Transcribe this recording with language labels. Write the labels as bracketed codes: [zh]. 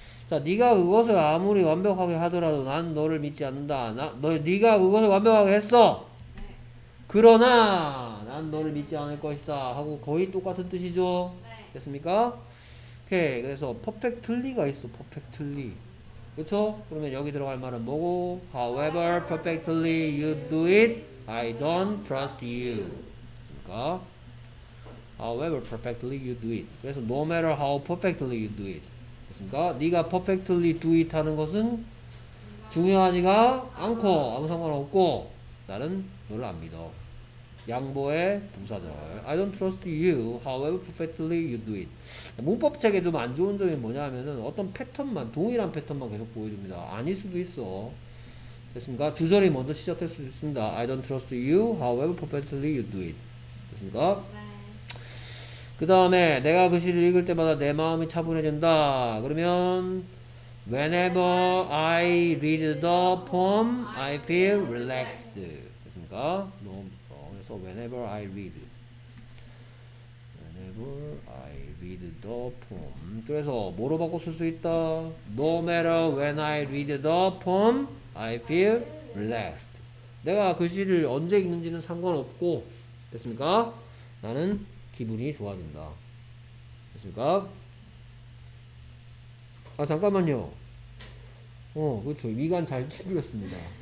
[ko] 자, 네가 그것을 아무리 완벽하게 하더라도 난 너를 믿지 않는다. 네가 그것을 완벽하게 했어. 그러나 난 너를 믿지 않을 것이다 하고 거의 똑같은 뜻이죠. 네. 됐습니까? 오케이. 그래서 perfectly가 있어. perfectly. 그렇죠? 그러면 여기 들어갈 말은 뭐고? [en] However perfectly you do it, I don't trust you. 됐습니까? However perfectly you do it. [ko] 그래서 no matter how perfectly you do it. 됐습니까? 네가 perfectly do it 하는 것은 중요하지가 않고 아무 상관없고 나는 너를 안 믿어. [en] 양보의 부사절. I don't trust you. However perfectly you do it. [ko] 문법책에 좀 안 좋은 점이 뭐냐면은 어떤 패턴만 동일한 패턴만 계속 보여줍니다. 아닐 수도 있어. 됐습니까? 주절이 먼저 시작될 수 있습니다. [en] I don't trust you. However perfectly you do it. 됐습니까? [ko] 그 다음에 내가 그 시를 읽을 때마다 내 마음이 차분해진다. [en] 그러면 Whenever I read the poem, I feel relaxed. 됐습니까? 그래서 whenever I read. Whenever I read the poem. [ko] 그래서 뭐로 바꿔 쓸 수 있다? [en] No matter when I read the poem, I feel relaxed. [ko] 내가 그 시를 언제 읽는지는 상관없고, 됐습니까? 나는 기분이 좋아진다. 됐습니까? 아, 잠깐만요. 어, 그렇죠. 미간 잘 찌그렸습니다.